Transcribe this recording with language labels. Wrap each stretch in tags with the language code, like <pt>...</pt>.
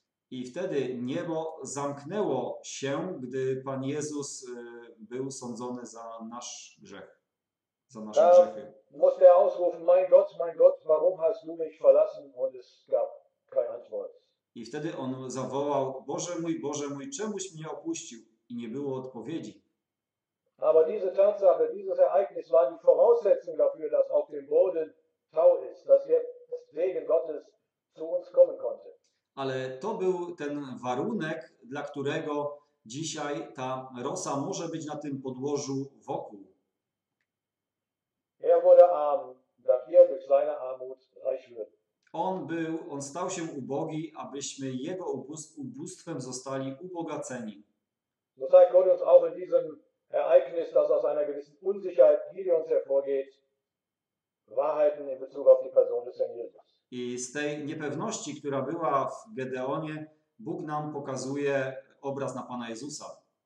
<pl>I wtedy niebo zamknęło się, gdy Pan Jezus był sądzony za nasz grzech, za nasze grzechy. Musiał</pl> <de>ausrufen, mein Gott, mein Gott, warum hast du mich verlassen? Und es gab keine Antwort.</de> <pl>I wtedy on zawołał, Boże mój, czemuś mnie opuścił? I nie było odpowiedzi.</pl> <de>Aber diese Tatsache, dieses Ereignis war die Voraussetzung dafür, dass auf dem Boden Tau ist, dass jetzt Segen Gottes zu uns kommen konnte.</de> <pl>Ale to był ten warunek, dla którego dzisiaj ta rosa może być na tym podłożu wokół.</pl> <de>Er wurde arm, dafür durch seine Armut reich wird.</de> <pl>On stał się ubogi, abyśmy jego ubóstwem zostali ubogaceni.</pl> <de>So zeigt Gott uns auch in diesem Ereignis, das aus einer gewissen Unsicherheit Gideons hervorgeht, Wahrheiten in Bezug auf die Person des Herrn Jesus.</de> <pl>I z tej niepewności, która była w Gedeonie, Bóg nam pokazuje obraz na Pana Jezusa.</pl>